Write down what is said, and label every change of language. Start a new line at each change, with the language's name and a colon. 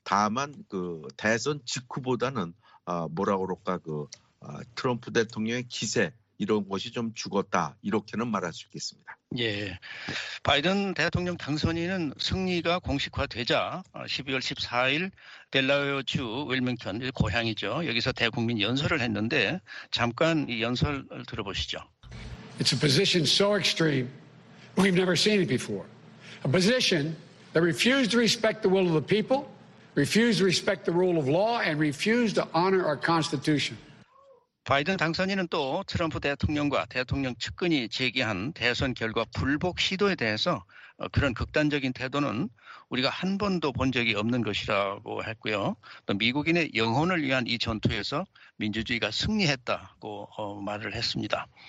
Korean: 다만 그 대선 직후보다는 뭐라고 그럴까 그 트럼프 대통령의 기세 이런 것이 좀 죽었다 이렇게는 말할 수 있겠습니다. 예, 바이든 대통령 당선인은 승리가 공식화되자 12월 14일 델라웨어주 웰밍턴 고향이죠. 여기서 대국민 연설을 했는데 잠깐 이 연설을 들어보시죠.
English: It's a position so extreme we've never seen it before. A position that refused to respect the will of the people, refused to respect the rule of law, and refused to honor our Constitution.
Korean: 바이든 당선인은 또 트럼프 대통령과 대통령 측근이 제기한 대선 결과 불복 시도에 대해서 그런 극단적인 태도는 우리가 한 번도 본 적이 없는 것이라고 했고요. 또 미국인의 영혼을 위한 이 전투에서 민주주의가 승리했다고 말을 했습니다.